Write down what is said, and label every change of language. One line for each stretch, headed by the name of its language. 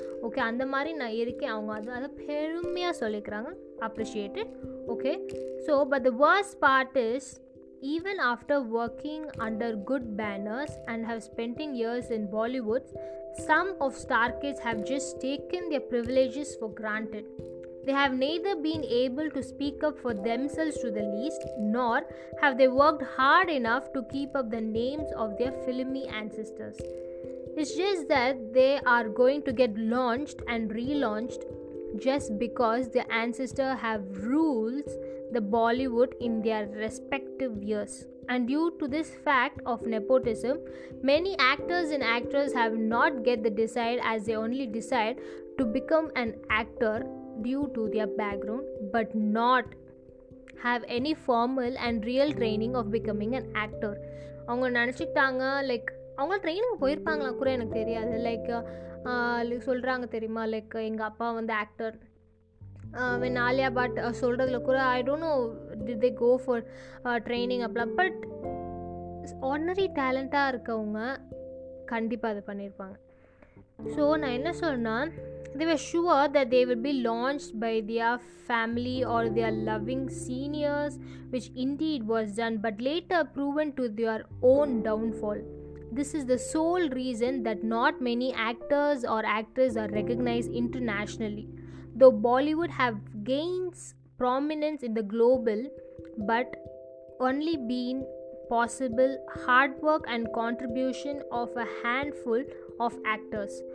Tamil: Okay, அந்த மாதிரி நான் இருக்கேன். அவங்க அது அதை பெருமையாக சொல்லிக்கிறாங்க, appreciated.
English: Okay, so but the worst part is even after working under good banners and have spending years in Bollywoods, some of star kids have just taken their privileges for granted. They have neither been able to speak up for themselves to the least, nor have they worked hard enough to keep up the names of their filmy ancestors. It's just that they are going to get launched and relaunched just because their ancestors have ruled the Bollywood in their respective years. And due to this fact of nepotism, many actors and actresses have not get the desire, as they only decide to become an actor due to their background, but not have any formal and real training of becoming an actor.
Tamil: அவங்க நினச்சிக்கிட்டாங்க, like அவங்க training போயிருப்பாங்களா கூட எனக்கு தெரியாது. Like சொல்கிறாங்க தெரியுமா, like எங்கள் அப்பா வந்து ஆக்டர் வென் ஆலியா பட் சொல்கிறதுல கூட I don't know did they go for training அப்படிலாம். பட் ஆர்டினரி டேலண்ட்டாக இருக்கவங்க கண்டிப்பாக அதை பண்ணியிருப்பாங்க.
English: So நான் என்ன சொன்னால், they were sure that they will be launched by their family or their loving seniors, which indeed was done, but later proven to their own downfall. This is the sole reason that not many actors or actresses are recognized internationally, though Bollywood have gained prominence in the global, but only been possible hard work and contribution of a handful of actors.